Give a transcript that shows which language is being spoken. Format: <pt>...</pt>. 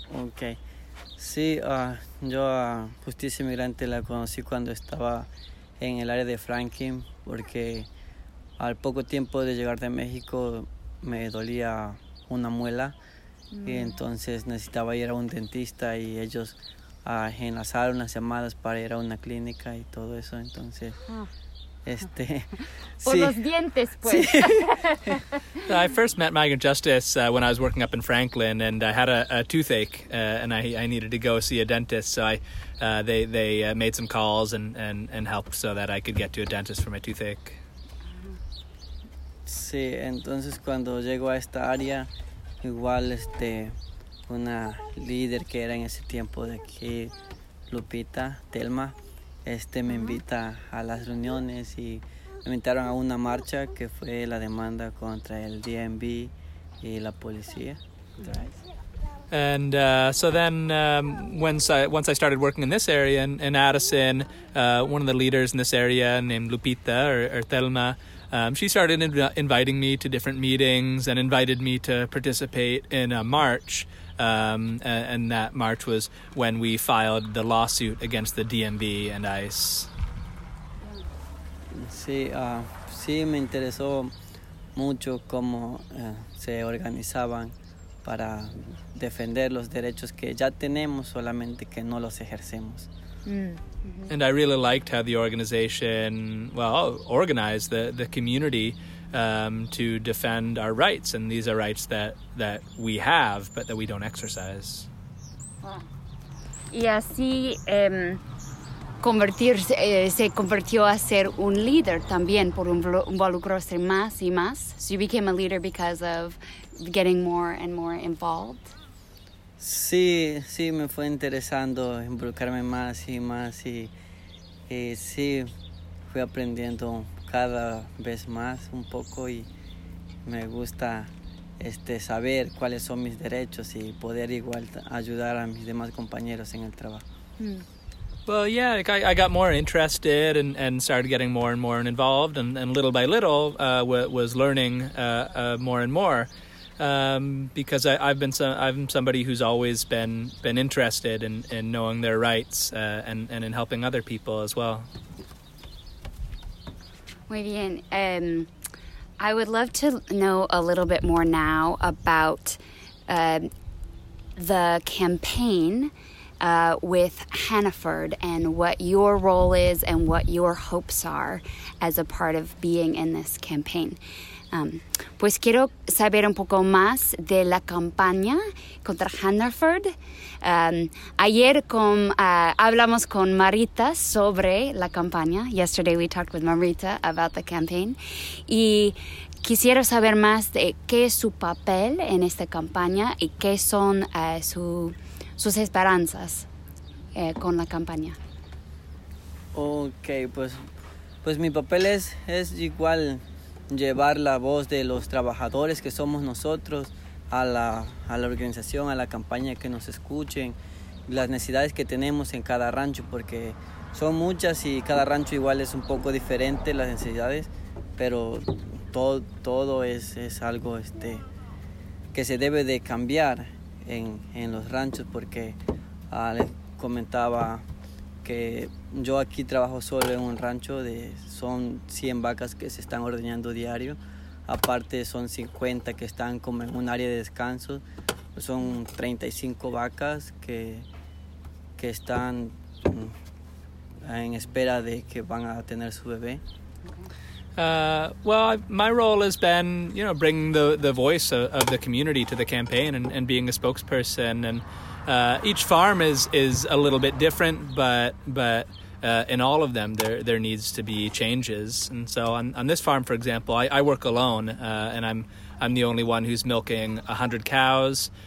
<es>Okay, sí, yo a Justicia Migrante la conocí cuando estaba en el área de Franklin, porque al poco tiempo de llegar de México me dolía una muela y entonces necesitaba ir a un dentista y ellos enlazaron las llamadas para ir a una clínica y todo eso, entonces por sí. Los dientes, pues. Sí.</es> <en>I first met Migrant Justice when I was working up in Franklin, and I had a toothache, and I needed to go see a dentist, so they made some calls and helped so that I could get to a dentist for my toothache.</en> <es>Sí, entonces cuando llego a esta área, igual una líder que era en ese tiempo de aquí, Lupita, Telma, me invita a las reuniones y me invitaron a una marcha que fue la demanda contra el DMV y la policía.</es> <en>And so then once I started working in this area in Addison, one of the leaders in this area named Lupita or Telma, she started inviting me to different meetings and invited me to participate in a march. And that march was when we filed the lawsuit against the DMV and ICE.</en> <es>Sí, sí me interesó mucho cómo se organizaban para defender los derechos que ya tenemos, solamente que no los ejercemos.</es> <en>And I really liked how the organization, organized the community to defend our rights, and these are rights that we have, but that we don't exercise.</en> <es>Wow. Y así se convirtió a ser un líder también por involucrarse más y más.</es> <en>So you became a leader because of getting more and more involved.</en> <es>Sí, sí, me fue interesando involucrarme más y más y sí, fui aprendiendo cada vez más un poco y me gusta saber cuáles son mis derechos y poder igual ayudar a mis demás compañeros en el trabajo.</es> <en>Well, yeah, I got more interested and started getting more and more involved, and little by little was learning more and more. Because I'm somebody who's always been interested in knowing their rights and in helping other people as well.</en> <es>Muy bien.</es> <en>I would love to know a little bit more now about the campaign with Hannaford and what your role is and what your hopes are as a part of being in this campaign.</en> <es>Pues quiero saber un poco más de la campaña contra Hannaford. Ayer hablamos con Marita sobre la campaña.</es> <en>Yesterday we talked with Marita about the campaign.</en> <es>Y quisiera saber más de qué es su papel en esta campaña y qué son sus esperanzas con la campaña. Okay, pues mi papel es igual llevar la voz de los trabajadores que somos nosotros a la organización, a la campaña, que nos escuchen las necesidades que tenemos en cada rancho, porque son muchas y cada rancho igual es un poco diferente las necesidades, pero todo es algo que se debe de cambiar en los ranchos, porque les comentaba que yo aquí trabajo solo en un rancho de son 100 vacas que se están ordeñando diario. Aparte son 50 que están como en un área de descanso. Son 35 vacas que están en espera de que van a tener su bebé.</es> <en>My role has been, you know, bringing the voice of the community to the campaign and being a spokesperson. And each farm is a little bit different, but in all of them there needs to be changes. And so on this farm, for example, I work alone, and I'm the only one who's milking 100 cows.</en>